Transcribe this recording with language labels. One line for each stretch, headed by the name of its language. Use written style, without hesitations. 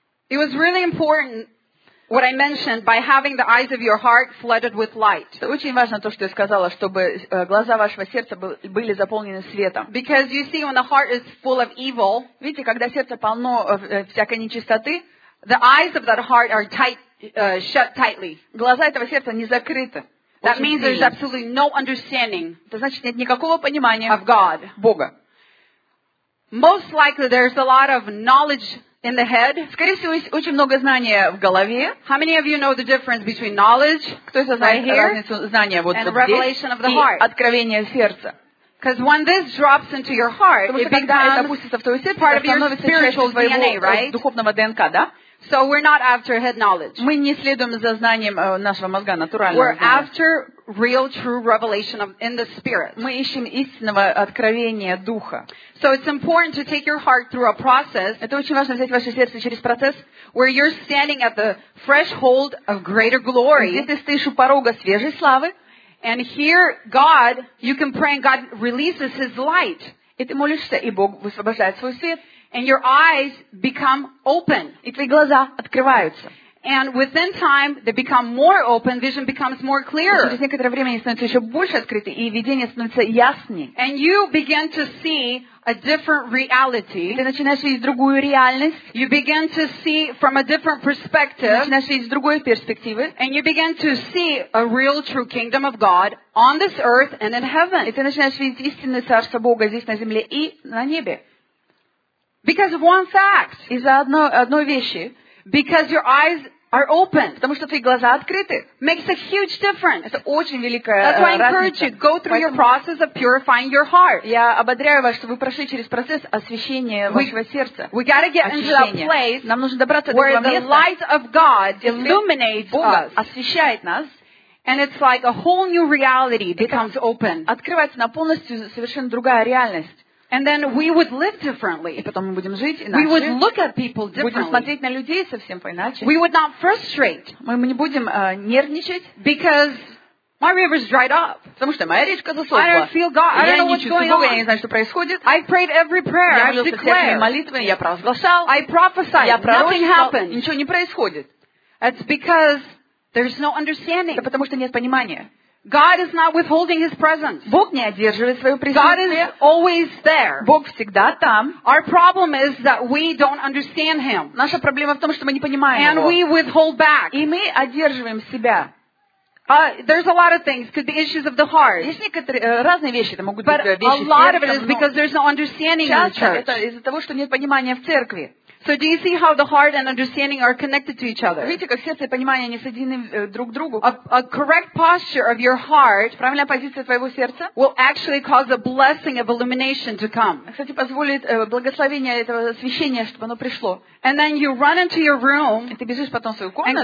English: It was really important what I mentioned by having the eyes of your heart flooded with light.
Russian: Это очень важно то, что я сказала, чтобы глаза вашего сердца были заполнены светом.
English: Because you see, when the heart is full of evil,
Russian: видите, когда сердце полно всякой нечистоты,
English: the eyes of that heart are tight, shut tightly.
Russian: Глаза этого сердца не закрыты.
English: That means there's absolutely no understanding.
Russian: Это значит нет никакого понимания
English: of God.
Russian: Бога.
English: Most likely there's a lot of knowledge in the head.
Russian: Скорее всего, есть очень много знания в голове.
English: How many of you know the difference between knowledge right here and the revelation of the heart?
Russian: Откровение сердца.
English: Because when this drops into your heart, it becomes part of your spiritual DNA, right?
Russian: Духовного ДНК, да?
English: So we're not after head knowledge.
Russian: Мы не следуем за знанием нашего мозга, натурального.
English: We're after real, true revelation of in the spirit.
Russian: Мы ищем истинного откровения духа.
English: So it's important to take your heart through a process.
Russian: Это очень важно взять ваше сердце через процесс,
English: where you're standing at the threshold of greater glory.
Russian: Где ты стоишь у порога свежей славы?
English: And here, God, you can pray, and God releases His light.
Russian: И ты молишься, и Бог высвобождает свой свет.
English: And your eyes become open.
Russian: И твои глаза открываются.
English: And within time, they become more open. Vision becomes more clear.
Russian: Через некоторое время они становятся еще больше открыты, и видение становится яснее.
English: And you begin to see a different reality.
Russian: Ты начинаешь видеть другую реальность.
English: You begin to see from a different perspective.
Russian: Ты начинаешь видеть с другой перспективы.
English: And you begin to see a real, true kingdom of God on this earth and in heaven.
Russian: И ты начинаешь видеть истинное царство Бога здесь на земле и на небе.
English: Because of one fact.
Russian: Из-за одной вещи.
English: Because your eyes are open.
Russian: Потому что твои глаза открыты.
English: Makes a huge difference.
Russian: Это очень великая разница.
English: That's why I encourage you, go through your process of purifying your heart.
Russian: Я ободряю вас, чтобы вы прошли через процесс освящения вашего сердца.
English: We gotta get into that place.
Russian: Нам нужно добраться до этого места,
English: where the light of God illuminates us.
Russian: Освещает нас.
English: And it's like a whole new reality becomes open.
Russian: Открывается на полностью совершенно другая реальность.
English: And then we would live differently.
Russian: И потом мы будем жить иначе.
English: We would look at people differently.
Russian: Будем смотреть на людей совсем по-иначе.
English: We would not frustrate.
Russian: Мы не будем нервничать.
English: Because my river's dried up.
Russian: Потому что моя речка засохла.
English: I don't feel God. I don't know what's going on.
Russian: Я не знаю, что происходит.
English: I prayed every prayer.
Russian: Я молился всякими молитвами. Я провозглашал.
English: I prophesied.
Russian: Я пророчил.
English: Nothing happened.
Russian: Ничего не происходит.
English: It's because there's no understanding.
Russian: Это потому что нет понимания.
English: God is not withholding His presence.
Russian: Бог не одерживает свою присутствие.
English: God is always there.
Russian: Бог всегда там.
English: Our problem is that we don't understand Him.
Russian: Наша проблема в том, что мы не понимаем Его.
English: And we withhold back.
Russian: И мы одерживаем себя.
English: There's a lot of things, could be issues of the heart.
Russian: Есть некоторые разные вещи, это могут
English: But
Russian: быть вещи
English: a lot of it is because there's no understanding in the church.
Russian: Часто это из-за того, что нет понимания в церкви.
English: So do you see how the heart and understanding are connected to each other?
Russian: Видите, как сердце и понимание они соединены друг к другу?
English: A correct posture of your heart,
Russian: правильная позиция твоего сердца,
English: will actually cause a blessing of illumination to come.
Russian: Кстати, позволит благословение этого освещения, чтобы оно пришло.
English: And then you run into your room,
Russian: и ты бежишь потом в свою комнату,